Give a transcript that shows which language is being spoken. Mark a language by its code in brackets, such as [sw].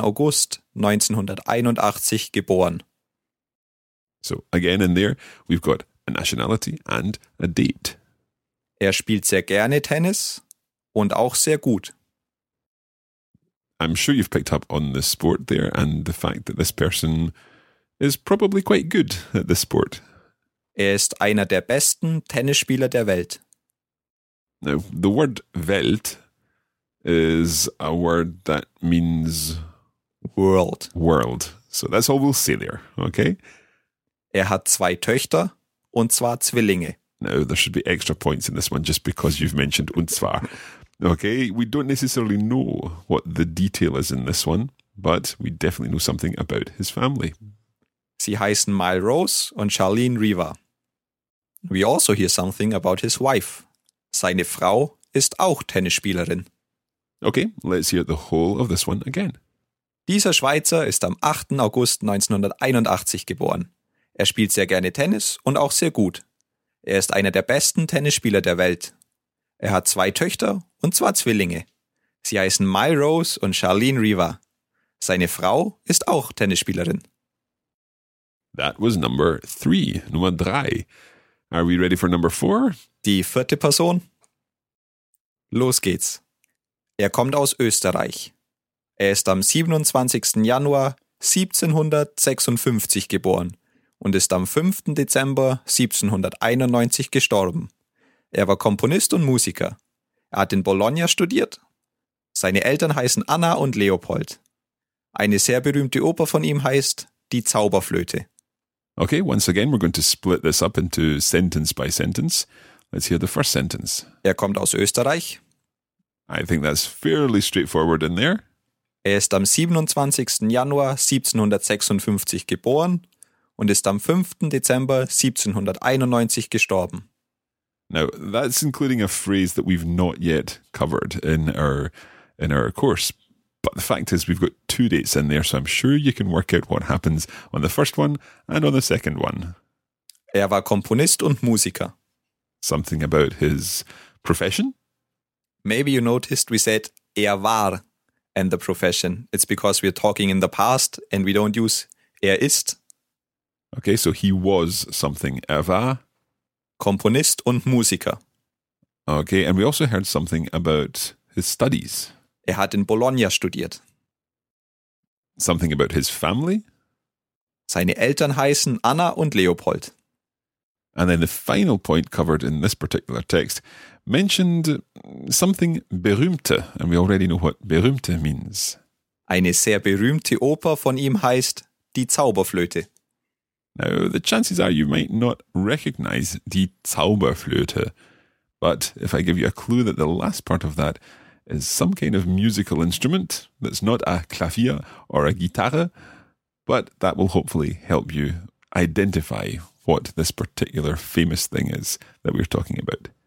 [de] August 1981 geboren. [en] So again in there, we've got a nationality and a date. [de] Er spielt sehr gerne Tennis und auch sehr gut. [en] I'm sure you've picked up on the sport there and the fact that this person is probably quite good at this sport. [de] Er ist einer der besten Tennisspieler der Welt. [en] Now, the word Welt is a word that means world. World. So that's all we'll say there, okay? [de] Er hat zwei Töchter, und zwar Zwillinge. [en] Now, there should be extra points in this one just because you've mentioned und zwar. Okay, we don't necessarily know what the detail is in this one, but we definitely know something about his family. [de] Sie heißen Mal Rose und Charlene Riva. [en] We also hear something about his wife. [de] Seine Frau ist auch Tennisspielerin. [en] Okay, let's hear the whole of this one again. [de] Dieser Schweizer ist am 8. August 1981 geboren. Er spielt sehr gerne Tennis und auch sehr gut. Er ist einer der besten Tennisspieler der Welt. Er hat zwei Töchter, und zwar Zwillinge. Sie heißen Mal Rose und Charlene Riva. Seine Frau ist auch Tennisspielerin. [en] That was number three, [de] Nummer drei. [en] Are we ready for number four? [de] Die vierte Person. Los geht's. Er kommt aus Österreich. Er ist am 27. Januar 1756 geboren und ist am 5. Dezember 1791 gestorben. Er war Komponist und Musiker. Er hat in Bologna studiert. Seine Eltern heißen Anna und Leopold. Eine sehr berühmte Oper von ihm heißt Die Zauberflöte. [en] Okay, once again, we're going to split this up into sentence by sentence. Let's hear the first sentence. [de] Er kommt aus Österreich. [en] I think that's fairly straightforward in there. [de] Er ist am 27. Januar 1756 geboren und ist am 5. Dezember 1791 gestorben. [en] Now, that's including a phrase that we've not yet covered in our course. But the fact is, we've got two dates in there, so I'm sure you can work out what happens on the first one and on the second one. [de] Er war Komponist und Musiker. [en] Something about his profession? Maybe you noticed we said er war and the profession. It's because we're talking in the past and we don't use er ist. Okay, so he was something. [de] Er war Komponist und Musiker. [en] Okay, and we also heard something about his studies. [de] Er hat in Bologna studiert. [en] Something about his family? [de] Seine Eltern heißen Anna und Leopold. [en] And then the final point covered in this particular text mentioned something berühmte, and we already know what berühmte means. [de] Eine sehr berühmte Oper von ihm heißt Die Zauberflöte. [en] Now, the chances are you might not recognize Die Zauberflöte, but if I give you a clue that the last part of that is some kind of musical instrument that's not a Klavier or a Gitarre, but that will hopefully help you identify what this particular famous thing is that we're talking about.